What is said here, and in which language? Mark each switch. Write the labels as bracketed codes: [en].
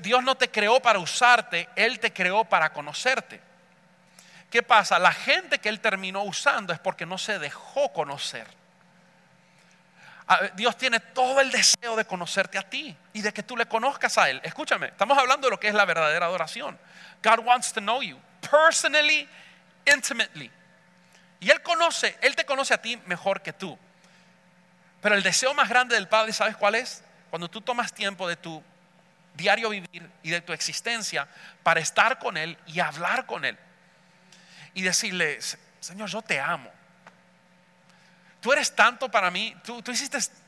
[es] Dios no te creó para usarte, Él te creó para conocerte. ¿Qué pasa? La gente que Él terminó usando es porque no se dejó conocer. Dios tiene todo el deseo de conocerte a ti y de que tú le conozcas a Él. Escúchame, estamos hablando de lo que es la verdadera adoración. [en] God wants to know you personally, intimately. [es] Y Él conoce, Él te conoce a ti mejor que tú. Pero el deseo más grande del Padre, ¿sabes cuál es? Cuando tú tomas tiempo de tu diario vivir y de tu existencia para estar con Él y hablar con Él. Y decirle: Señor, yo te amo. Tú eres tanto para mí. Tú hiciste.